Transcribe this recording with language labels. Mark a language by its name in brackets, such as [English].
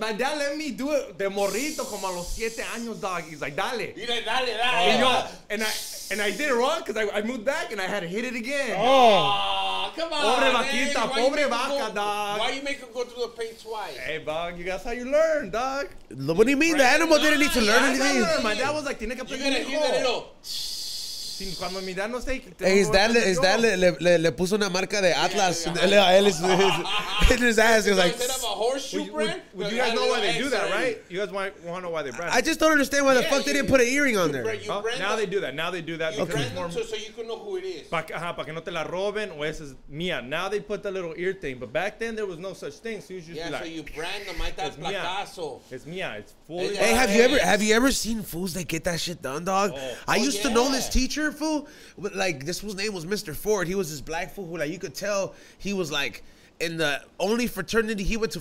[English] My dad let me do it de morrito, como a los 7 años, dog. He's like, dale. He's like, dale. And I did it wrong, because I moved back, and I had to hit it again. Oh. Come on, [Spanish] pobre vaquita. Pobre vaca, dog. [English] Why you make him go through the pain twice? Hey, dog. That's how you learn, dog. What do you mean? The animal didn't need to learn anything. My dad was like, tiene que aprender. You gotta hear that little. [Spanish] His dad le puso una marca de Atlas. [English] Yeah. Él is in his ass. He's like, instead of a horseshoe brand? You guys know why they do that, right? You guys want to know why they brand it? I just don't understand why the fuck they didn't put an earring on there. Now they do that. You brand them so you can know who it is. [Spanish] Para que no te la roben o esa es mía. [English] Now they put the little ear thing. But back then, there was no such thing. So you just be like. Yeah, so you brand them. It's mía. It's mía. It's fully. Hey, have you ever seen fools that get that shit done, dog? I used to know this teacher. Fool, but like this fool's name was Mr. Ford. He was this black fool who, like, you could tell he was like in the only fraternity he went to.